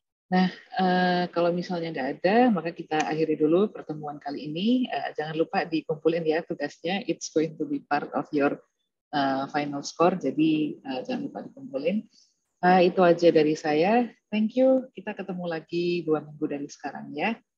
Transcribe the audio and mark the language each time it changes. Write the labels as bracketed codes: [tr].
[id] Nah, kalau misalnya nggak ada, maka kita akhiri dulu pertemuan kali ini. Jangan lupa dikumpulin ya tugasnya. [en] It's going to be part of your final score. [id] Jadi jangan lupa dikumpulin. Itu aja dari saya. [en] Thank you. [id] Kita ketemu lagi 2 minggu dari sekarang ya.